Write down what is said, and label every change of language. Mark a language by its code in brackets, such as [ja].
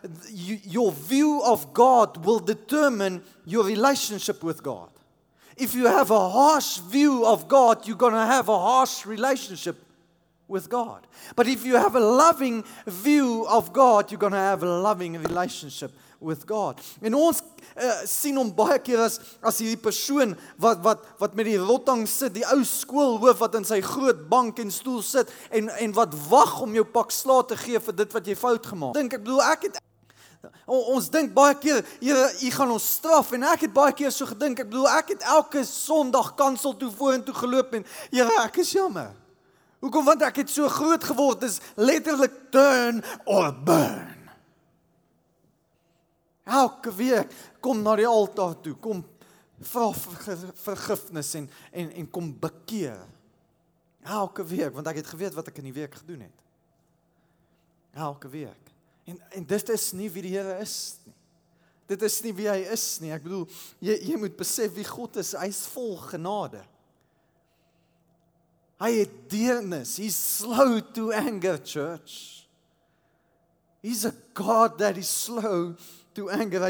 [en] Your view of God will determine your relationship with God. If you have a harsh view of God, you're going to have a harsh relationship with God. But if you have a loving view of God, you're going to have a loving relationship with God. [af] En ons sien hom baie keer as hierdie persoon wat met die rotang sit, die ou skoolhoof wat in sy groot bank en stoel sit en wat wag om jou pak slaag te gee vir dit wat jy fout gemaak. Dink ek bedoel ek het ons dink baie keer Here, U gaan ons straf en ek het baie keer so gedink. Ek bedoel ek het elke Sondag kansel toe vorentoe geloop en Here, ek is jammer. Hoekom? Want ek het so groot geword, is letterlik turn or burn. Elke week, kom na die altaar toe, kom vra vergifnis en kom bekeer. Elke week, want ek het geweet wat ek in die week gedoen het. Elke week. En dit is nie wie die Here is nie. Dit is nie wie hy is nie. Ek bedoel, jy moet besef wie God is. Hy is vol genade. Hy het deernis. [en] He's slow to anger, church. He's a God that is slow to anger.